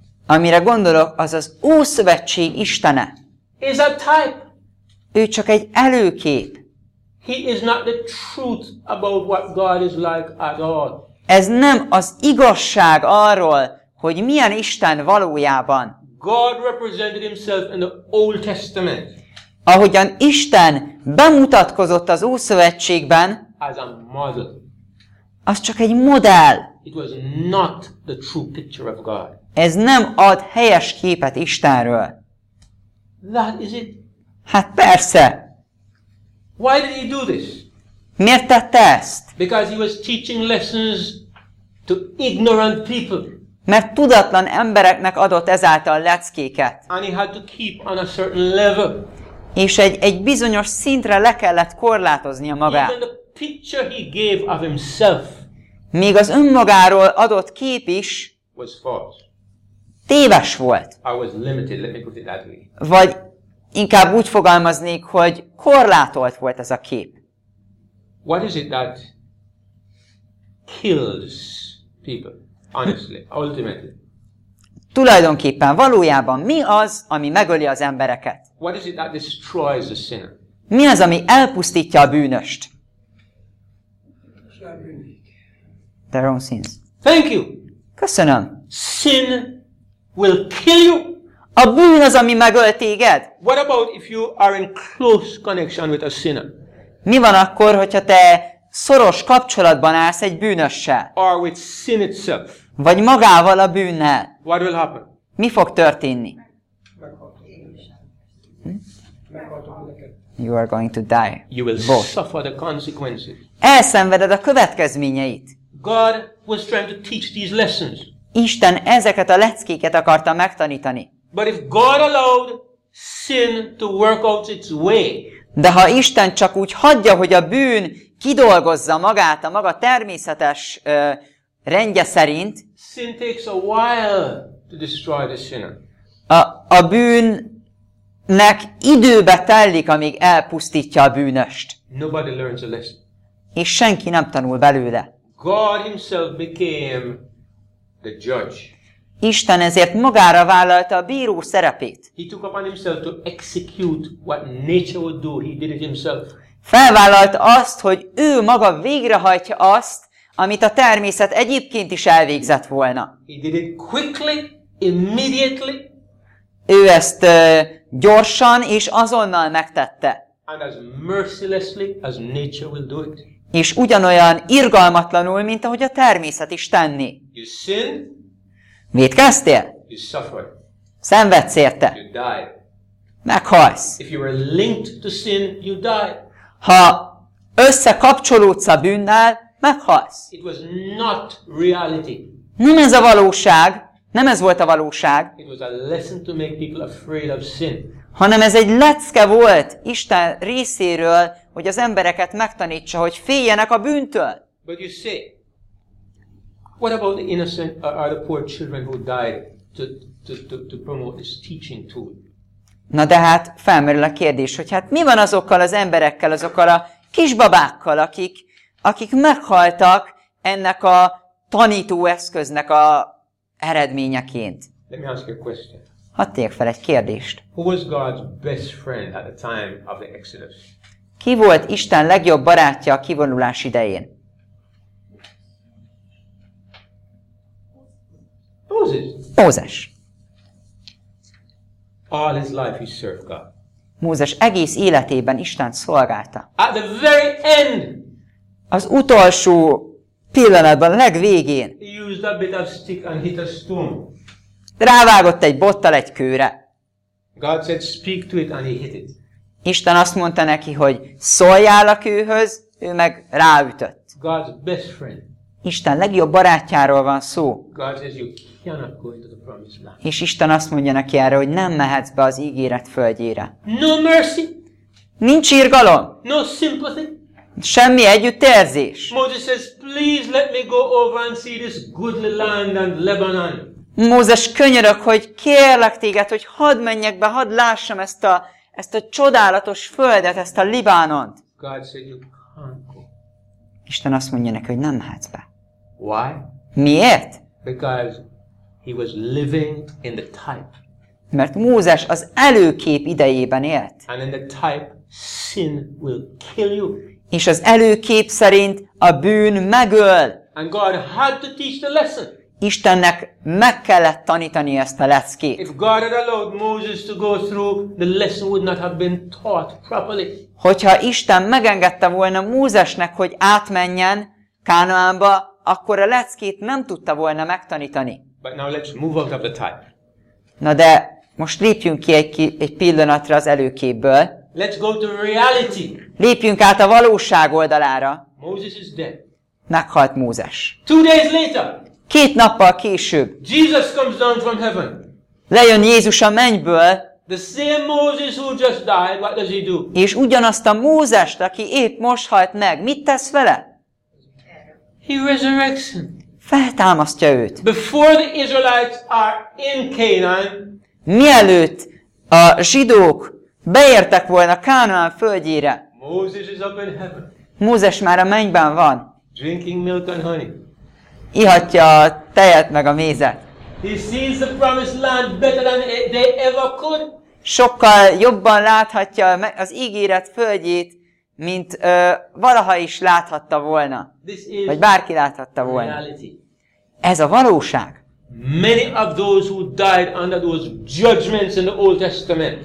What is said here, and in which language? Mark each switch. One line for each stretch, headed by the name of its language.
Hungarian: Amire gondolok, az az Ószövetség Istene.
English: Is a type.
Hungarian: Ő csak egy előkép.
English: He is not the truth about what God is like at all.
Hungarian: Ez nem az igazság arról, hogy milyen Isten valójában.
English: God represented himself in the Old Testament.
Hungarian: Ahogyan Isten bemutatkozott az Ószövetségben,
English: as a model.
Hungarian: Az csak egy modell.
English: It was not the true picture of God.
Hungarian: Ez nem ad helyes képet Istenről.
English: That is it.
Hungarian: Hát persze.
English: Why did he do this?
Hungarian: Miért tette ezt?
English: Because he was teaching lessons to ignorant people.
Hungarian: Mert tudatlan embereknek adott ezáltal leckéket.
English: And he had to keep on a certain level.
Hungarian: És egy bizonyos szintre le kellett korlátoznia magát.
English: Even the picture he gave of himself.
Hungarian: Még az önmagáról adott kép is
English: was false.
Hungarian: Téves volt.
English: I was limited, let me put it that way.
Hungarian: Vagy inkább úgy fogalmaznék, hogy korlátolt volt ez a kép.
English: What is it that kills people? Honestly, ultimately.
Hungarian: Tulajdonképpen valójában mi az, ami megöli az embereket?
English: What is it that destroys the sinner?
Hungarian: Mi az, ami elpusztítja a bűnöst?
English: Their own sins. Thank you.
Hungarian: Köszönöm.
English: Sin will kill you.
Hungarian: A bűn az, ami megöl téged.
English: What about if you are in close connection with a sinner?
Hungarian: Mi van akkor, hogyha te szoros kapcsolatban állsz egy bűnössel?
English: Or with sin itself.
Hungarian: Vagy magával a bűnnel.
English: What will happen?
Hungarian: Mi fog történni?
English: You are going to die. You will both suffer the consequences.
Hungarian: Elszenveded a következményeit.
English: God was trying to teach these lessons.
Hungarian: Isten ezeket a leckéket akarta megtanítani.
English: But if God allowed sin to work out its way.
Hungarian: De ha Isten csak úgy hagyja, hogy a bűn kidolgozza magát a maga természetes rendje szerint.
English: Sin takes a while to destroy the sinner.
Hungarian: A bűnnek időbe telik, amíg elpusztítja a bűnöst.
English: Nobody learns a lesson.
Hungarian: És senki nem tanul belőle.
English: God himself became the judge.
Hungarian: Isten ezért magára vállalta a bíró szerepét.
English: He took upon himself to execute what nature would do. He did it himself.
Hungarian: Felvállalta azt, hogy ő maga végrehajtja azt, amit a természet egyébként is elvégzett volna.
English: He did it quickly, immediately.
Hungarian: Ő ezt gyorsan és azonnal megtette.
English: And as mercilessly as nature will do it.
Hungarian: És ugyanolyan irgalmatlanul, mint ahogy a természet is tenni.
English: You sin,
Hungarian: vétkeztél?
English: You suffer.
Hungarian: Szenvedsz érte?
English: You die.
Hungarian: Meghalsz.
English: If you were linked to sin, you die.
Hungarian: Ha összekapcsolódsz a bűnnel, meghalsz.
English: It was not reality.
Hungarian: Nem ez a valóság, nem ez volt a valóság.
English: It was a lesson to make people afraid of sin.
Hungarian: Hanem ez egy lecke volt Isten részéről, hogy az embereket megtanítsa, hogy féljenek a bűntől.
English: But you say, what about the innocent or the poor children who died to promote this teaching tool?
Hungarian: Na de hát felmerül a kérdés, hogy hát mi van azokkal az emberekkel, azokkal a kisbabákkal, akik meghaltak ennek a tanító eszköznek a eredményeként?
English: Let me ask you a question.
Hungarian: Hadd tegyek fel egy kérdést.
English: Who was God's best friend at the time of the Exodus?
Hungarian: Ki volt Isten legjobb barátja a kivonulás idején? Mózes.
English: All his life he served God.
Hungarian: Mózes egész életében Isten szolgálta.
English: At the very end.
Hungarian: Az utolsó pillanatban, a legvégén.
English: He used a bit of stick and hit a stone.
Hungarian: Rávágott egy bottal egy kőre.
English: God said, speak to it, and he hit it.
Hungarian: Isten azt mondta neki, hogy szóljál a kőhöz, ő meg ráütött.
English: God's best friend.
Hungarian: Isten legjobb barátjáról van szó.
English: God says, you cannot go into the promised land.
Hungarian: És Isten azt mondja neki erre, hogy nem mehetsz be az ígéret földjére.
English: No mercy.
Hungarian: Nincs irgalom.
English: No sympathy.
Hungarian: Semmi együttérzés.
English: Moses says, please let me go over and see this goodly land and Lebanon.
Hungarian: Mózes könyörög, hogy kérlek téged, hogy hadd menjek be, hadd lássam ezt a csodálatos földet, ezt a Libánont.
English: God said you can't go.
Hungarian: Isten azt mondja neki, hogy nem mehetsz be.
English: Why?
Hungarian: Miért?
English: Because He was living in the type.
Hungarian: Mert Mózes az előkép idejében élt.
English: And in the type, sin will kill you.
Hungarian: És az előkép szerint a bűn megöl.
English: And God had to teach the lesson.
Hungarian: Istennek meg kellett tanítani ezt a leckét.
English: If God had allowed Moses to go through, the lesson would not have been taught properly.
Hungarian: Hogyha Isten megengedte volna Mózesnek, hogy átmenjen Kánaánba, akkor a leckét nem tudta volna megtanítani.
English: But now let's move out of the type.
Hungarian: Na de most lépjünk ki egy pillanatra az előképből.
English: Let's go to reality.
Hungarian: Lépjünk át a valóság oldalára.
English: Moses is dead.
Hungarian: Meghalt Mózes.
English: Two days later.
Hungarian: Két nappal később.
English: Jesus comes down from heaven.
Hungarian: Lejön Jézus a mennyből.
English: The same Moses who just died, what does he do?
Hungarian: És ugyanazt a Mózest, aki épp most halt meg, mit tesz vele?
English: He resurrects him.
Hungarian: Feltámasztja őt.
English: Before the Israelites are in Canaan,
Hungarian: mielőtt a zsidók beértek volna Kánaán földjére,
English: Moses is up in heaven.
Hungarian: Mózes már a mennyben van.
English: Drinking milk and honey.
Hungarian: Ihatja a tejet meg a mézet.
English: He sees the promised land better than they ever could.
Hungarian: Sokkal jobban láthatja az ígéret földjét, mint valaha is láthatta volna.
English: This is
Hungarian: vagy bárki láthatta volna.
English: Reality.
Hungarian: Ez a valóság.
English: Many of those who died under those judgments in the Old Testament.